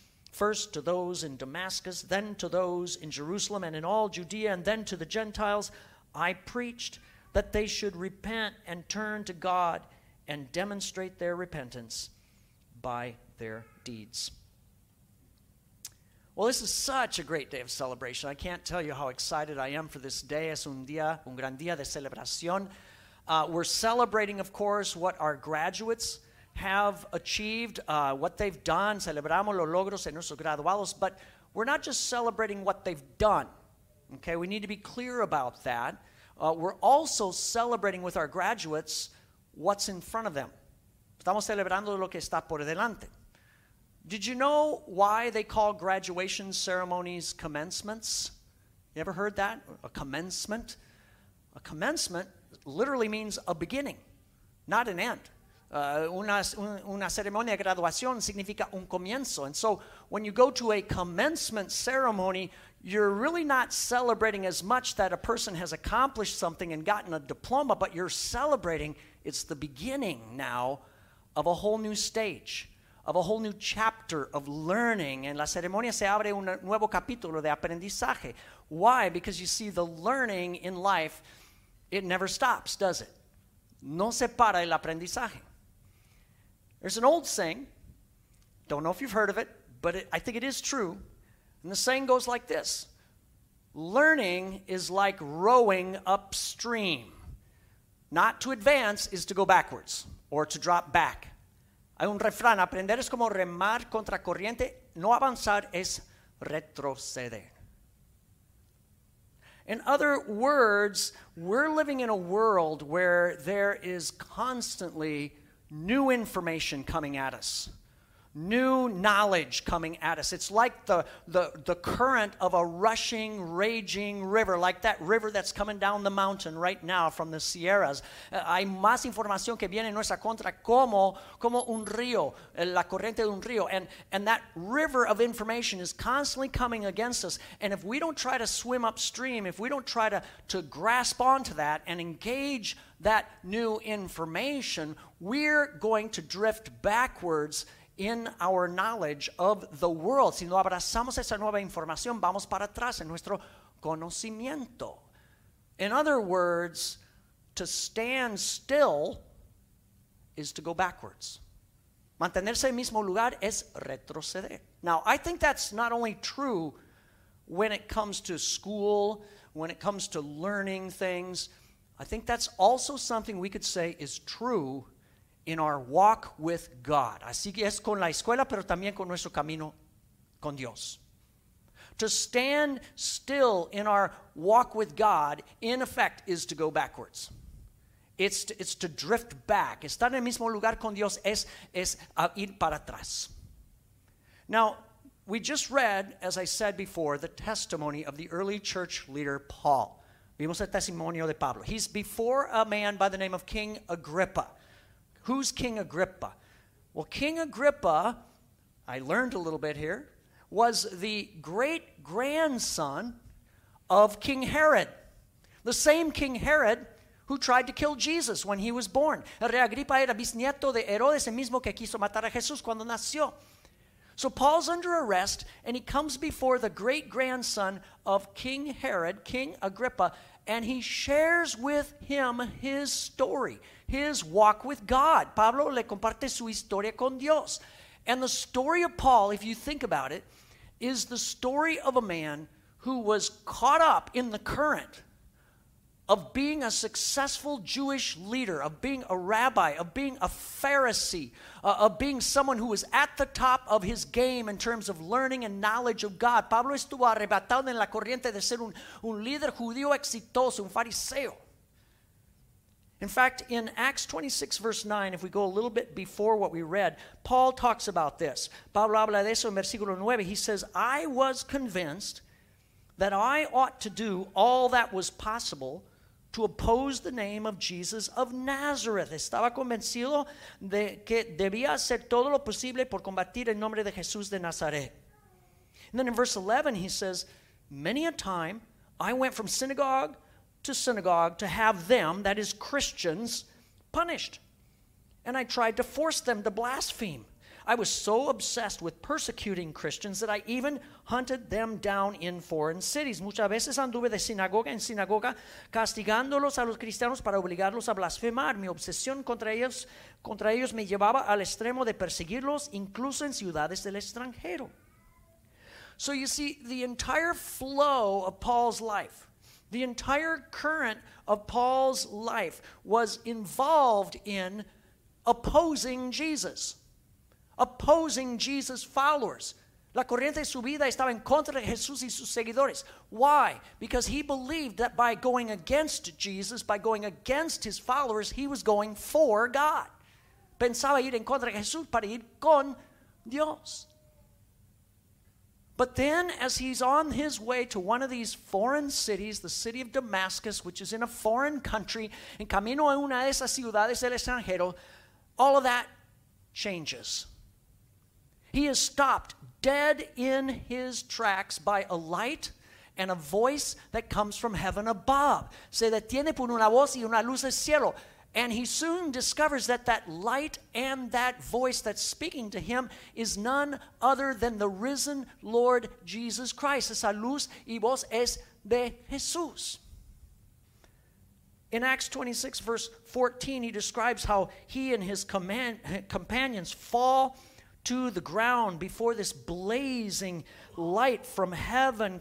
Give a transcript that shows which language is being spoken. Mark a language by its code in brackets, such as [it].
[en] First to those in Damascus, then to those in Jerusalem and in all Judea, and then to the Gentiles, I preached that they should repent and turn to God and demonstrate their repentance by their deeds. Well, this is such a great day of celebration. I can't tell you how excited I am for this day. [es] Es un día, un gran día de celebración. [en] We're celebrating, of course, what our graduates have achieved, what they've done. [es] Celebramos los logros en nuestros graduados, [en] but we're not just celebrating what they've done. Okay, we need to be clear about that. We're also celebrating with our graduates what's in front of them. [es] Estamos celebrando lo que está por delante. [en] Did you know why they call graduation ceremonies commencements? You ever heard that? A commencement? A commencement literally means a beginning, not an end. [es] Una ceremonia de graduación significa un comienzo. [en] And so when you go to a commencement ceremony, you're really not celebrating as much that a person has accomplished something and gotten a diploma, but you're celebrating it's the beginning now of a whole new stage, of a whole new chapter of learning. [es] En la ceremonia se abre un nuevo capítulo de aprendizaje. [en] Why? Because you see, the learning in life, it never stops, does it? [es] No se para el aprendizaje. [en] There's an old saying, don't know if you've heard of it, but I think it is true. And the saying goes like this: learning is like rowing upstream. Not to advance is to go backwards or to drop back. [es] Hay un refrán: aprender es como remar contra corriente, no avanzar es retroceder. [en] In other words, we're living in a world where there is constantly new information coming at us, new knowledge coming at us. It's like the current of a rushing, raging river, like that river that's coming down the mountain right now from the Sierras. [es] Hay más información que viene en nuestra contra como un río, la corriente de un río. [en] And that river of information is constantly coming against us. And if we don't try to swim upstream, if we don't try to grasp onto that and engage that new information, we're going to drift backwards in our knowledge of the world. [es] Si no abrazamos esa nueva información, vamos para atrás en nuestro conocimiento. [en] In other words, to stand still is to go backwards. [es] Mantenerse en el mismo lugar es retroceder. [en] Now, I think that's not only true when it comes to school, when it comes to learning things. I think that's also something we could say is true in our walk with God. [es] Así que es con la escuela, pero también con nuestro camino con Dios. [en] To stand still in our walk with God, in effect, is to go backwards. It's to drift back. [es] Estar en el mismo lugar con Dios es ir para atrás. [en] Now, we just read, as I said before, the testimony of the early church leader, Paul. [es] Vimos el testimonio de Pablo. [en] He's before a man by the name of King Agrippa. Who's King Agrippa? Well, King Agrippa, I learned a little bit here, was the great-grandson of King Herod, the same King Herod who tried to kill Jesus when he was born. [es] El rey Agrippa era bisnieto de Herodes, el mismo que quiso matar a Jesús cuando nació. [en] So Paul's under arrest, and he comes before the great-grandson of King Herod, King Agrippa, and he shares with him his story, his walk with God. [es] Pablo le comparte su historia con Dios. [en] And the story of Paul, if you think about it, is the story of a man who was caught up in the current of being a successful Jewish leader, of being a rabbi, of being a Pharisee, of being someone who was at the top of his game in terms of learning and knowledge of God. [es] Pablo estuvo arrebatado en la corriente de ser un líder judío exitoso, un fariseo. [en] In fact, in Acts 26, verse 9, if we go a little bit before what we read, Paul talks about this. [es] Pablo habla de eso en versículo 9. [en] He says, I was convinced that I ought to do all that was possible to oppose the name of Jesus of Nazareth. [es] Estaba convencido de que debía hacer todo lo posible por combatir el nombre de Jesús de Nazaret. [en] And then in verse 11, he says, many a time I went from synagogue to synagogue to have them, that is Christians, punished. And I tried to force them to blaspheme. I was so obsessed with persecuting Christians that I even hunted them down in foreign cities. [es] Muchas veces anduve de sinagoga en sinagoga castigándolos a los cristianos para obligarlos a blasfemar. Mi obsesión contra ellos me llevaba al extremo de perseguirlos incluso en ciudades del extranjero. [en] So you see, the entire flow of Paul's life, the entire current of Paul's life was involved in opposing Jesus. Opposing Jesus' followers. [es] La corriente de su vida estaba en contra de Jesús y sus seguidores. [en] Why? Because he believed that by going against Jesus, by going against his followers, he was going for God. [es] Pensaba ir en contra de Jesús para ir con Dios. [en] But then, as he's on his way to one of these foreign cities, the city of Damascus, which is in a foreign country, [es] en camino a una de esas ciudades del extranjero, [en] all of that changes. He is stopped dead in his tracks by a light and a voice that comes from heaven above. [es] Se detiene por una voz y una luz del cielo. [en] And he soon discovers that that light and that voice that's speaking to him is none other than the risen Lord Jesus Christ. [es] Esa luz y voz es de Jesús. [en] In Acts 26, verse 14, he describes how he and his companions fall to the ground before this blazing light from heaven.